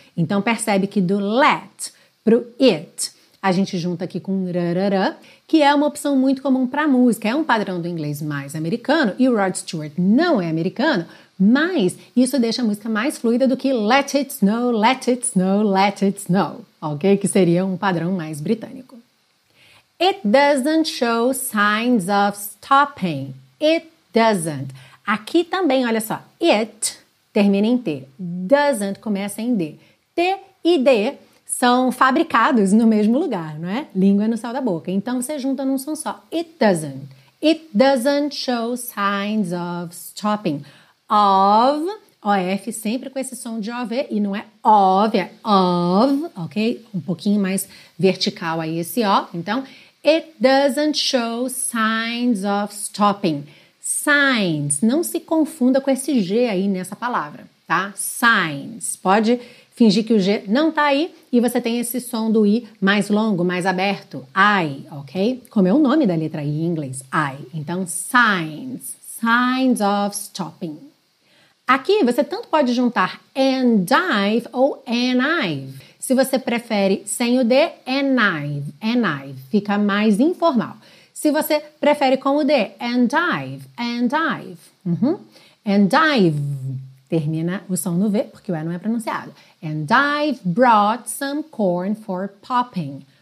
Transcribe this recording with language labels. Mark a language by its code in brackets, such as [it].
[pt] Então percebe que do let pro it, a gente junta aqui com rarara, que é uma opção muito comum para música. É um padrão do inglês mais americano, e o Rod Stewart não é americano, mas isso deixa a música mais fluida do que [en] let it snow, let it snow, [pt] let it snow, ok? Que seria um padrão mais britânico. [en] It doesn't show signs of stopping. It doesn't. [pt] Aqui também, olha só, it termina em T, doesn't começa em D. T e D são fabricados no mesmo lugar, não é? Língua no céu da boca. Então, você junta num som só, it doesn't. [en] It doesn't show signs of stopping. [pt] Of, O-F, sempre com esse som de O-V, e não é of, é of, ok? Um pouquinho mais vertical aí esse O. [en] Então, it doesn't show signs of stopping. [pt] Signs, não se confunda com esse G aí nessa palavra, tá? Signs, pode fingir que o G não tá aí e você tem esse som do I mais longo, mais aberto, I, ok? Como é o nome da letra I em inglês, I. [en] Então, signs, signs of stopping. [pt] Aqui você tanto pode juntar and I've ou and I've. Se você prefere sem o D, and I've, fica mais informal. Se você prefere com o D, and I've, and I've. Uhum. And I've, termina o som no V, porque o E não é pronunciado. [en] And I've brought some corn for popping.